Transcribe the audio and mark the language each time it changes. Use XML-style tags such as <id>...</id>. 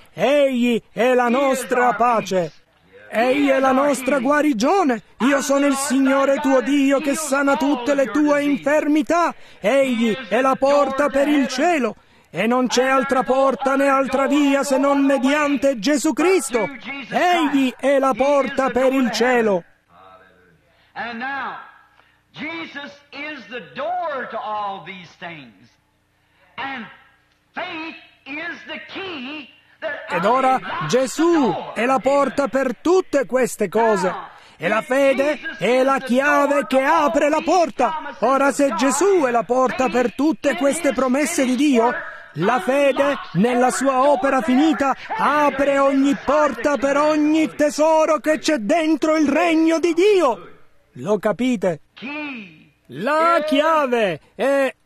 <it>Egli è la nostra pace. Egli è la nostra guarigione. Io sono il Signore tuo Dio che sana tutte le tue infermità. Egli è la porta per il cielo. E non c'è altra porta né altra via se non mediante Gesù Cristo. Egli è la porta per il cielo.</it> <en>And now, Jesus is the door to all these things. And faith is the key that.</en> <it>Ed ora Gesù è la porta per tutte queste cose. E la fede è la chiave che apre la porta. Ora, se Gesù è la porta per tutte queste promesse di Dio, la fede, nella sua opera finita, apre ogni porta per ogni tesoro che c'è dentro il regno di Dio. Lo capite? La chiave è</it>